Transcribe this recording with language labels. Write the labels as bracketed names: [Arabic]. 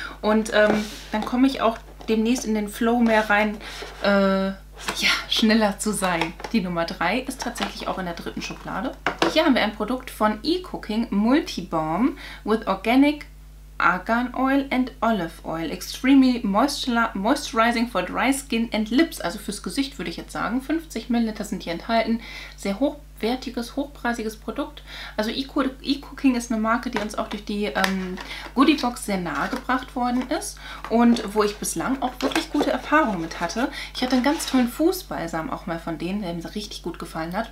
[German] Und dann komme ich auch demnächst in den Flow mehr rein, ja, schneller zu sein. Die Nummer 3 ist tatsächlich auch in der dritten Schublade. Hier haben wir ein Produkt von eCooking Multibalm with Organic Argan Oil and Olive Oil. [English] Extremely Moisturizing for Dry Skin and Lips. [German] Also fürs Gesicht würde ich jetzt sagen. 50 ml sind hier enthalten. Sehr hochwertiges, hochpreisiges Produkt. Also eCooking ist eine Marke, die uns auch durch die Goodiebox sehr nahe gebracht worden ist. Und wo ich bislang auch wirklich gute Erfahrungen mit hatte. Ich hatte einen ganz tollen Fußbalsam auch mal von denen, der mir richtig gut gefallen hat.